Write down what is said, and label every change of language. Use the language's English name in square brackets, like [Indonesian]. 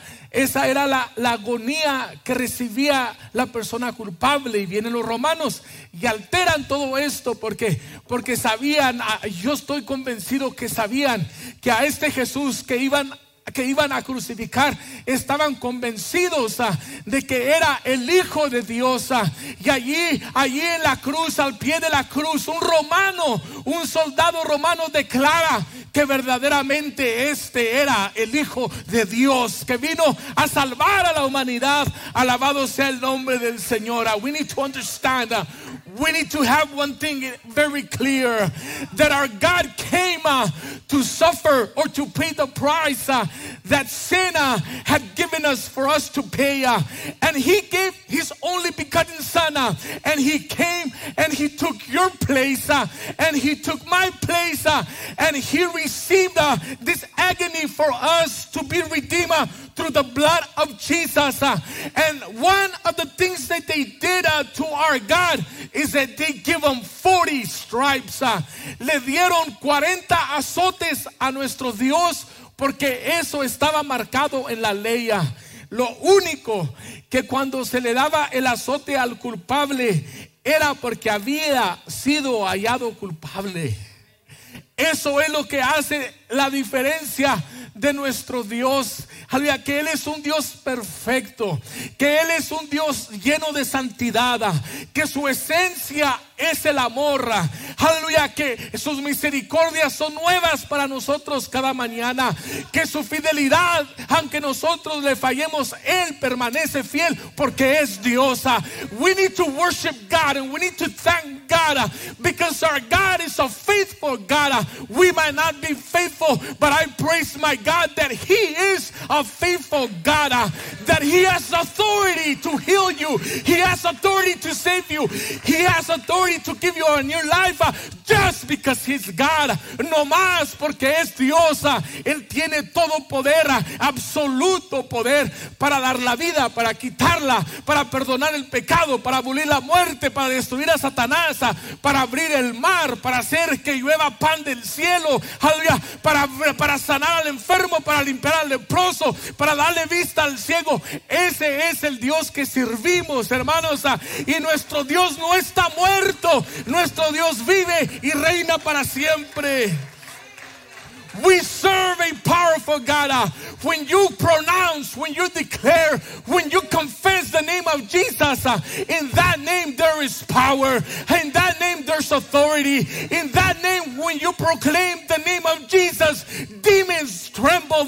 [Spanish] Esa era la agonía que recibía la persona culpable. Y vienen los romanos y alteran todo esto porque sabían, yo estoy convencido que sabían que a este Jesús que iban a crucificar, estaban convencidos de que era el Hijo de Dios. Y allí en la cruz, al pie de la cruz, un soldado romano declara que verdaderamente este era el Hijo de Dios, que vino a salvar a la humanidad. Alabado sea el nombre del Señor. [English] We need to understand. We need to have one thing very clear, that our God came to suffer or to pay the price that sin had given us for us to pay. And he gave his only begotten son, and he came and he took your place, and he took my place, and he received this agony for us to be redeemed through the blood of Jesus. And one of the things that they did to our God is that they give him 40 stripes. [Spanish] Le dieron 40 azotes a nuestro Dios porque eso estaba marcado en la ley. Lo único que cuando se le daba el azote al culpable era porque había sido hallado culpable. Eso es lo que hace la diferencia de nuestro Dios. Aleluya, que Él es un Dios perfecto, que Él es un Dios lleno de santidad, que su esencia es el amor. Aleluya, que sus misericordias son nuevas para nosotros cada mañana, que su fidelidad, aunque nosotros le fallemos, Él permanece fiel porque es Dios. [English] We need to worship God and we need to thank God because our God is a faithful God. We might not be faithful, but I praise my God that He is a faithful God, that He has authority to heal you. He has authority to save you. He has authority to give you a new life just because He's God. [Spanish] No más porque es Dios. Él tiene todo poder, absoluto poder para dar la vida, para quitarla, para perdonar el pecado, para abolir la muerte, para destruir a Satanás, para abrir el mar, para hacer que llueva pan del cielo, para sanar al enfermo, para limpiar al leproso, para darle vista al ciego. Ese es el Dios que servimos, hermanos. Y nuestro Dios no está muerto, nuestro Dios vive y reina para siempre. [English] We serve a powerful God. When you pronounce, when you declare, when you confess the name of Jesus, in that name there is power. In that name there's authority. In that name, when you proclaim the name of Jesus, demons tremble.